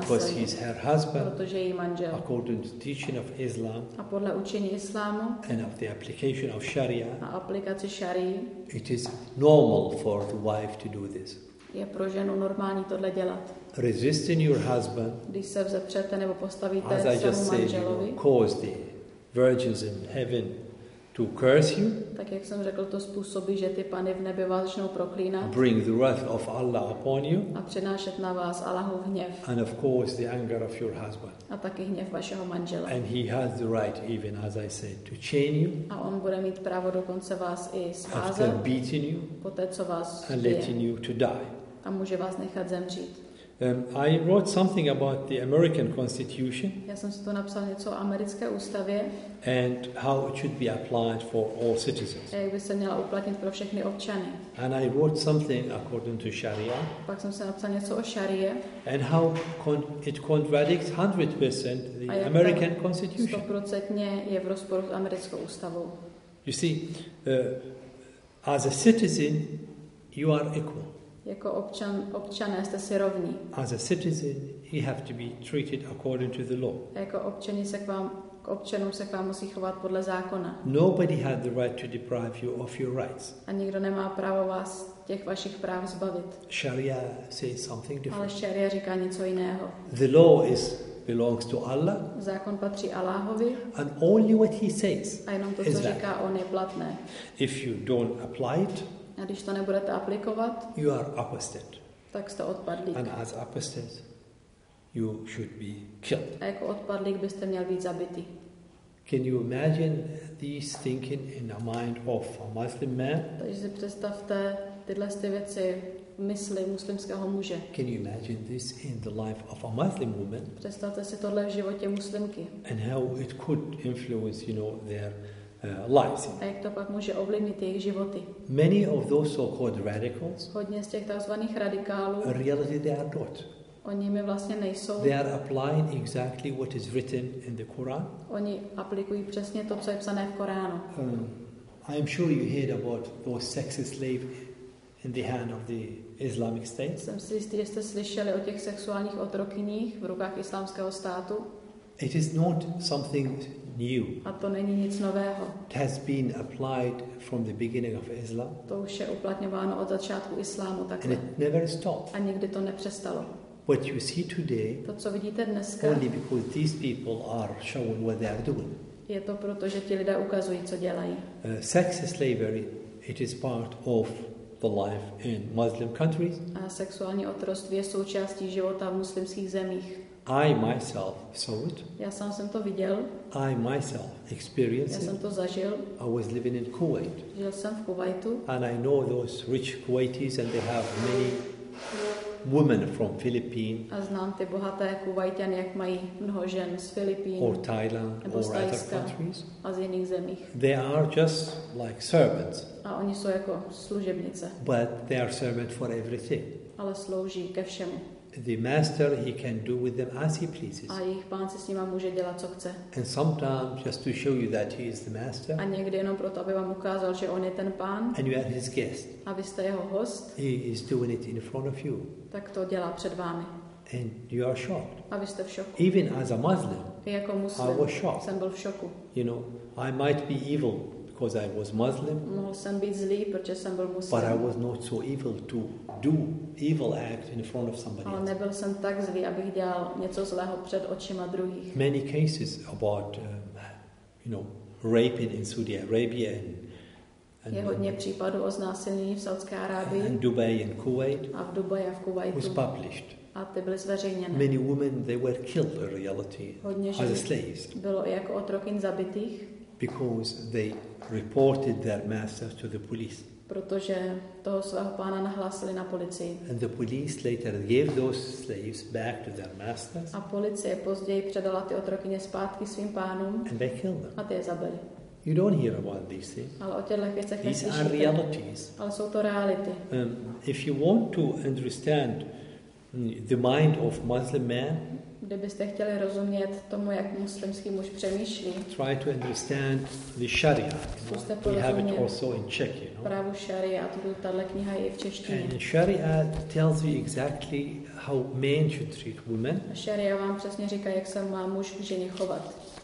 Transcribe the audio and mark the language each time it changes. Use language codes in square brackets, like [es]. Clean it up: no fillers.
[en] Because he is her husband. [cs] Protože je její manžel. [en] According to teaching of Islam. [cs] A podle učení islámu. [en] And of the application of Sharia. [cs] A aplikaci šarii. [en] It is normal for the wife to do this. [cs] Je pro ženu normální tohle dělat. [en] Resisting your husband. [cs] Když se vzepřete nebo postavíte svému manželovi. [en] As I just said, you know, cause the virgins in heaven to curse you. [cs] Tak jak jsem řekl, to způsobí, že ty pany v nebi vás začnou proklínat. [en] Bring the wrath of Allah upon you. [cs] A přenášet na vás Allahův hněv. [en] And of course the anger of your husband. [cs] A taky hněv vašeho manžela. [en] And he has the right, even as I said, to chain you. [cs] A on bude mít právo dokonce vás i svázat. [en] After beating you. [cs] Poté, co vás zbije. [en] And letting you to die. [cs] A může vás nechat zemřít. [en] I wrote something about the American Constitution. [cs] Já jsem si to napsal něco o americké ústavě. [en] And how it should be applied for all citizens. [cs] A jak by se měla uplatnit pro všechny občany. [en] And I wrote something according to Sharia. [cs] Pak jsem si napsal něco o Sharia. [en] And how it contradicts 100% the American Constitution. [cs] 100% je v rozporu s americkou ústavou. [en] You see, as a citizen, you are equal. [cs] Jako občané jste si rovní. [en] As a citizen, he have to be treated according to the law. [cs] Jako občané se k občanům se k vám musí chovat podle zákona. [en] Nobody had the right to deprive you of your rights. [cs] A nikdo nemá právo vás těch vašich práv zbavit. [en] Sharia says something different. [cs] Ale Sharia říká něco jiného. [en] The law is belongs to Allah. [cs] Zákon patří Allahovi. [en] And only what he says. [cs] A jenom to, co říká on, je platné. [en] If you don't apply it. [cs] A když to nebudete aplikovat, [en] you are apostate. [cs] Tak jste odpadlík. [en] And as apostate, you should be killed. [cs] A jako odpadlík byste měl být zabitý. [en] Can you imagine these thinking in the mind of a Muslim man? [cs] Takže si představte tyhle věci v mysli muslimského muže. [en] Can you imagine this in the life of a Muslim woman? [cs] Představte si tohle v životě muslimky. [en] And how it could influence, you know, their lives. [cs] A jak to pak může ovlivnit jejich životy? [en] Many of those so-called radicals. [cs] Hodně z těch takzvaných radikálů. [en] In reality, they are not. [cs] Oni mi vlastně nejsou. [en] They are applying exactly what is written in the Quran. [cs] Oni aplikují přesně to, co je psané v Koránu. [en] I am sure you heard about those sex slaves in the hand of the Islamic State. [cs] Jsem si jistý, že jste slyšeli o těch sexuálních otrokyních v rukách islámského státu. [en] It is not something new. [cs] A to není nic nového. [en] It has been applied from the beginning of Islam. [cs] To už je uplatňováno od začátku islámu takhle. [en] And it never stopped. [cs] A nikdy to nepřestalo. [en] What you see today. [cs] To, co vidíte dneska. [en] Only because these people are showing what they are doing. [cs] Je to proto, že ti lidé ukazují, co dělají. [en] Sex slavery, it is part of the life in Muslim countries. [cs] A sexuální otroctví je součástí života v muslimských zemích. [en] I myself saw it. [cs] Já sám jsem to viděl. [en] I myself experienced it. [cs] Já jsem to zažil. [en] I was living in Kuwait. [cs] Žil jsem v Kuwaitu. [en] And I know those rich Kuwaitis, and they have many women from Philippines. [cs] A znám ty bohaté Kuvajťany, jak mají mnoho žen z Filipín. [en] Or Thailand or other countries. [cs] A z jiných zemí. [en] They are just like servants. [cs] A oni jsou jako služebnice. [en] But they are servant for everything. [cs] Ale slouží ke všemu. [en] The master, he can do with them as he pleases. [cs] A jejich pán si s nima může dělat, co chce. [en] And sometimes, just to show you that he is the master. [cs] A někdy jenom proto, aby vám ukázal, že on je ten pán. [en] And you are his guest. [cs] A vy jste jeho host. [en] He is doing it in front of you. [cs] Tak to dělá před vámi. [en] And you are shocked. [cs] A vy jste v šoku. [en] Even as a Muslim, [cs] jako muslim, [en] I was shocked. [cs] Jsem byl v šoku. [en] You know, I might be evil because I was Muslim. [cs] Mohl jsem být zlý, protože jsem byl muslim. [en] But I was not so evil to do evil act in front of somebody. [cs] Ale nebyl jsem tak zlý, abych dělal něco zlého před očima druhých. [en] Many cases about you know, raping in Saudi Arabia and [cs] je hodně případů o znásilnění v Saudské Arábii. [en] In Dubai and Kuwait. [cs] A v Dubaji a v Kuwaitu. [en] Was published. [cs] A ty byly zveřejněné. [en] Many women they were killed in reality. [cs] Hodně žen [en] as a slaves. [cs] Bylo i jako otrokyň zabitých. [en] Because they reported their master to the police. [cs] Protože toho svého pána nahlásili na policii. [en] And the police later gave those slaves back to their masters. [cs] A policie později předala ty otrokyně zpátky svým pánům. [en] And they killed them. [cs] A ty je zabili. [en] You don't hear about these things. [cs] Ale o těchto věcech neslyšíte. [en] These are realities. [cs] Ale jsou to reality. [en] If you want to understand the mind of Muslim man, [cs] kdybyste chtěli rozumět tomu, jak muslimský muž přemýšlí. [en] Try to understand the Sharia. We have it also in Czech, you know. [cs] Právo Sharia, tato kniha je v češtině. [en] And Sharia tells you exactly how men should treat women. [cs] Sharia vám přesně říká, jak se má muž k ženě chovat.